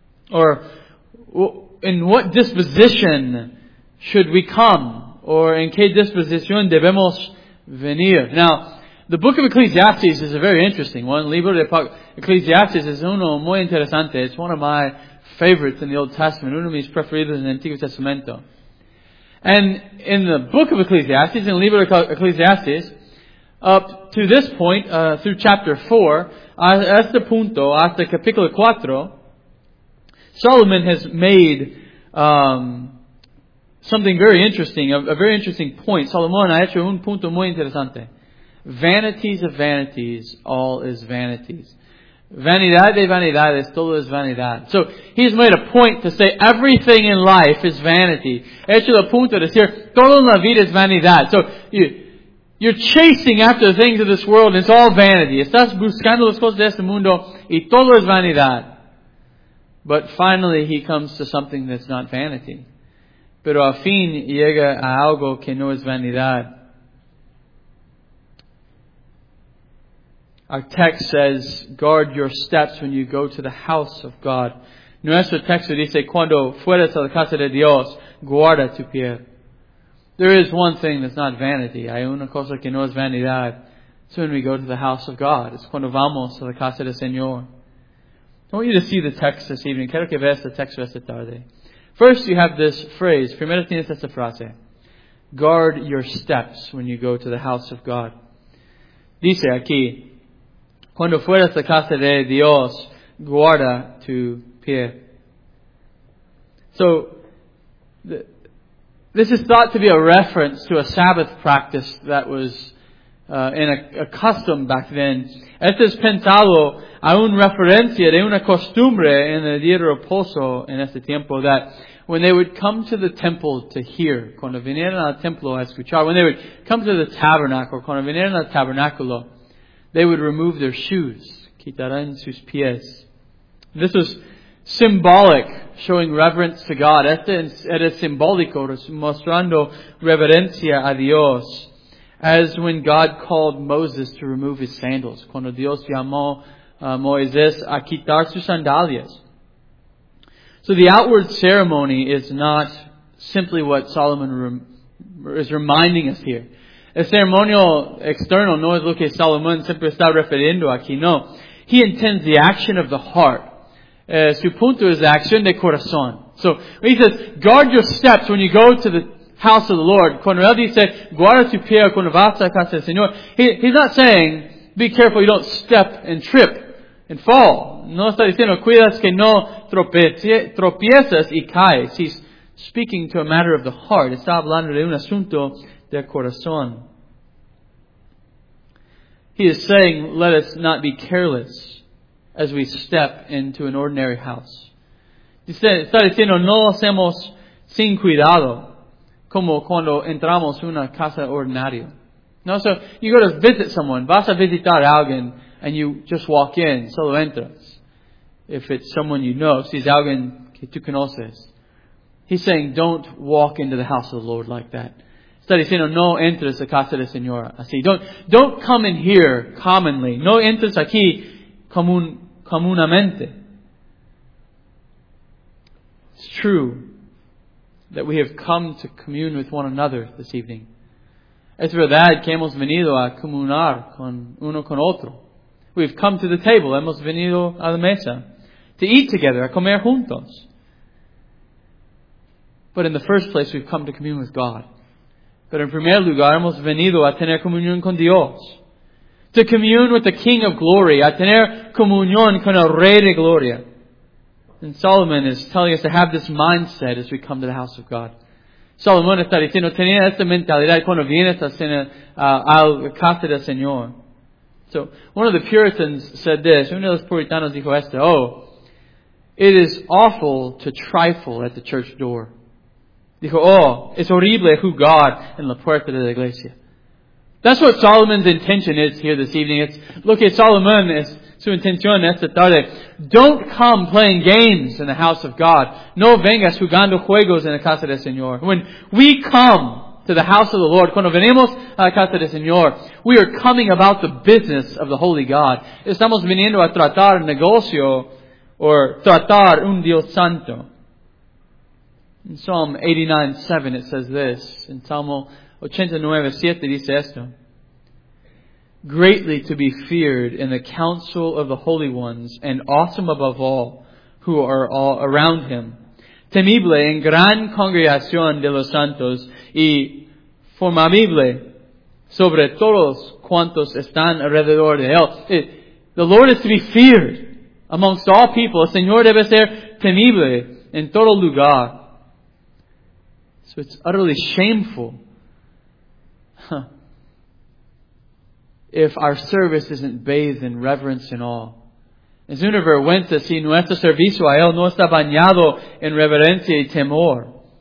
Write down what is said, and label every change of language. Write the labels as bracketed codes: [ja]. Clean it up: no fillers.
[en] Or in what disposition should we come? [es] Or en qué disposición debemos venir? [en] Now, the book of Ecclesiastes is a very interesting one. [es] Libro de Ecclesiastes es uno muy interesante. [en] It's one of my favorites in the Old Testament. [es] Uno de mis preferidos en el Antiguo Testamento. [en] And in the book of Ecclesiastes, [es] in Libro de Ecclesiastes, [en] up to this point, through chapter 4, [es] hasta punto, hasta capítulo 4, [en] Solomon has made something very interesting, a very interesting point. [es] Solomon ha hecho un punto muy interesante. [en] Vanities of vanities, all is vanities. [es] Vanidad de vanidades, todo es vanidad. [en] So, he's made a point to say everything in life is vanity. [es] He hecho el punto de decir, todo en la vida es vanidad. [en] So, you're chasing after the things of this world, and it's all vanity. [es] Estás buscando las cosas de este mundo, y todo es vanidad. [en] But finally, he comes to something that's not vanity. [es] Pero al fin llega a algo que no es vanidad. [en] Our text says, guard your steps when you go to the house of God. [es] Nuestro texto dice, cuando fueres a la casa de Dios, guarda tu pie. [en] There is one thing that's not vanity. [es] Hay una cosa que no es vanidad. [en] It's when we go to the house of God. It's [es] cuando vamos a la casa del Señor. [en] I want you to see the text this evening. [es] Quiero que veas el texto esta tarde. [en] First, you have this phrase. [es] Primero tienes esta frase. [en] Guard your steps when you go to the house of God. [es] Dice aquí, cuando fueras a la casa de Dios, guarda tu pie. [en] So, this is thought to be a reference to a Sabbath practice that was in a custom back then. [es] Este es pensado a una referencia de una costumbre en el día de reposo en este tiempo [en] that when they would come to the temple to hear, [es] cuando vinieran al templo a escuchar, [en] when they would come to the tabernacle, [es] cuando vinieran al tabernáculo, [en] they would remove their shoes, [es] quitarán sus pies. [en] This was symbolic, showing reverence to God. [es] Este es simbólico, mostrando reverencia a Dios. [en] As when God called Moses to remove his sandals. [es] Cuando Dios llamó a Moisés a quitar sus sandalias. [en] So the outward ceremony is not simply what Solomon is reminding us here. [es] El ceremonial external no es lo que Salomón siempre está refiriendo aquí, no. [en] He intends the action of the heart. [es] Su punto es la acción de corazón. [en] So, he says, guard your steps when you go to the house of the Lord. [es] Cuando él dice, guarda tu pie cuando vas a casa del Señor, [en] he's not saying, be careful you don't step and trip and fall. [es] No está diciendo, cuidas que no tropiezas y caes. [en] He's speaking to a matter of the heart. [es] Está hablando de un asunto del corazón. [en] He is saying, let us not be careless as we step into an ordinary house. [es] Está diciendo, no lo hacemos sin cuidado, como cuando entramos en una casa ordinaria. [en] No, so you go to visit someone, [es] vas a visitar a alguien, [en] and you just walk in, [es] solo entras. [en] If it's someone you know, [es] si es alguien que tú conoces. [en] He's saying, don't walk into the house of the Lord like that. [es] Está diciendo, no entres a casa del Señor. Así, [en] don't come in here commonly. [es] No entres aquí comúnmente. [en] It's true that we have come to commune with one another this evening. [es] Es verdad que hemos venido a comunar con uno con otro. [en] We've come to the table. [es] Hemos venido a la mesa. [en] To eat together, [es] a comer juntos. [en] But in the first place, we've come to commune with God. [es] Pero en primer lugar, hemos venido a tener comunión con Dios. [en] To commune with the King of Glory. [es] A tener comunión con el Rey de Gloria. [en] And Solomon is telling us to have this mindset as we come to the house of God. [es] Solomon está diciendo, tenía esta mentalidad cuando vienes a la casa del Señor. [en] So, one of the Puritans said this. [es] Uno de los puritanos dijo esto. [en] Oh, it is awful to trifle at the church door. [es] Dijo, oh, es horrible jugar en la puerta de la iglesia. [en] That's what Solomon's intention is here this evening. It's, look at Solomon, [es] es su intención esta tarde. [en] Don't come playing games in the house of God. [es] No vengas jugando juegos en la casa del Señor. [en] When we come to the house of the Lord, [es] cuando venimos a la casa del Señor, [en] we are coming about the business of the holy God. [es] Estamos viniendo a tratar un negocio or tratar un Dios santo. [en] In Psalm 89:7, it says this. In Psalm 89:7, [es] dice esto. [en] Greatly to be feared in the council of the holy ones, and awesome above all who are all around him. [es] Temible en gran congregación de los santos, y formable sobre todos cuantos están alrededor de él. [en] The Lord is to be feared amongst all people. [es] El Señor debe ser temible en todo lugar. [en] So it's utterly shameful if our service isn't bathed in reverence and awe. [es] Es una vergüenza si nuestro servicio a Él no está bañado en reverencia y temor.